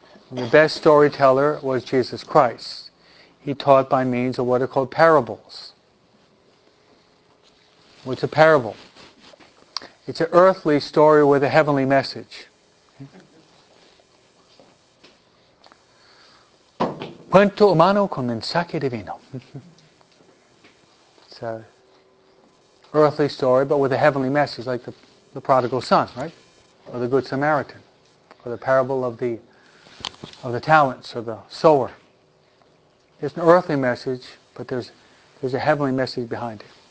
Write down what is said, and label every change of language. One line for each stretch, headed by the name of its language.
English: And the best storyteller was Jesus Christ. He taught by means of what are called parables. What's a parable? It's an earthly story with a heavenly message.
Spanish: Cuento humano con mensaje divino.
English: It's an earthly story, but with a heavenly message, like the prodigal son, right? Or the good Samaritan. Or the parable of the talents, or the sower. It's an earthly message, but there's a heavenly message behind it.